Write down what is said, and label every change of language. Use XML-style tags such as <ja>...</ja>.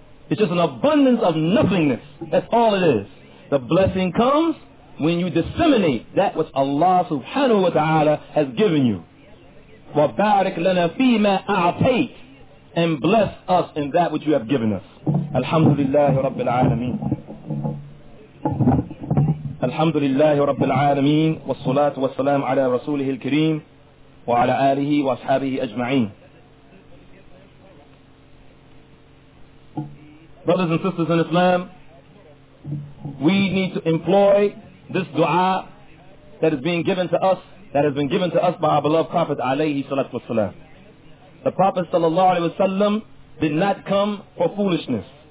<en>It's just an abundance of nothingness. That's all it is. The blessing comes when you disseminate that which Allah subhanahu wa ta'ala has given you.</en> <ar>وَبَارِكْ لَنَا فِي مَا أَعْطَيْتَ.</ar> <en>And bless us in that which you have given us.</en> <ar>Alhamdulillahi Rabbil Alameen. الحمد لله رب العالمين والصلاة والسلام على رسوله الكريم وعلى آله وأصحابه أجمعين.</ar> <en>Brothers and sisters in Islam, we need to employ this dua that is being given to us, that has been given to us by our beloved Prophet alayhi salatu wasalam. The Prophet sallallahu alayhi wasallam did not come for foolishness.</en>